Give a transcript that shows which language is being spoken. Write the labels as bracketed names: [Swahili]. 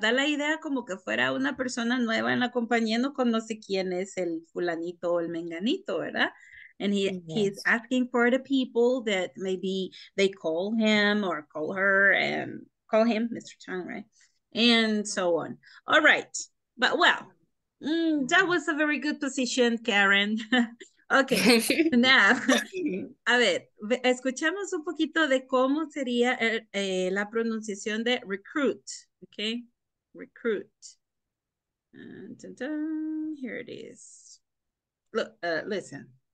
[Spanish] Da la idea como que fuera una persona nueva en la compañía, no conoce quién es el fulanito o el menganito, ¿verdad? [English] And he's asking for the people that maybe they call him or call her and call him, Mr. Chang, right? And so on. All right. But well, that was a very good position, Karen. [Spanish] Okay, now, a ver, escuchamos un poquito de cómo sería la pronunciación de recruit, okay? [English] Recruit. Dun, dun, here it is. Listen.